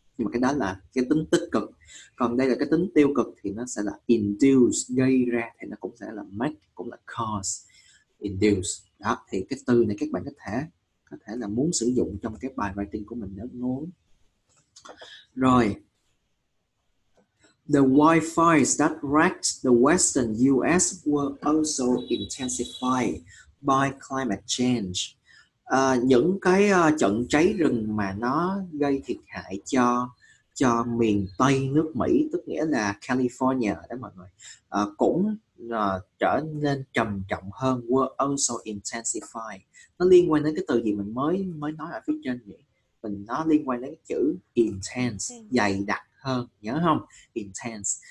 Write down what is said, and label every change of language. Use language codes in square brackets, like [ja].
[vi] Nhưng mà cái đó là cái tính tích cực. Còn đây là cái tính tiêu cực thì nó sẽ là induce, gây ra, thì nó cũng sẽ là make, cũng là cause, induce. Đó, thì cái từ này các bạn có thể là muốn sử dụng trong cái bài writing của mình nếu muốn. Rồi. [en] The wildfires that wrecked the western US were also intensified by climate change. [vi] Những cái trận cháy rừng mà nó gây thiệt hại cho miền Tây nước Mỹ, tức nghĩa là California đó mọi người, cũng trở nên trầm trọng hơn, [en] were also intensified. [vi] Nó liên quan đến cái từ gì mình mới nói ở phía trên nhỉ? Mình nó liên quan đến cái chữ intense, dày đặc hơn, nhớ không? Intense.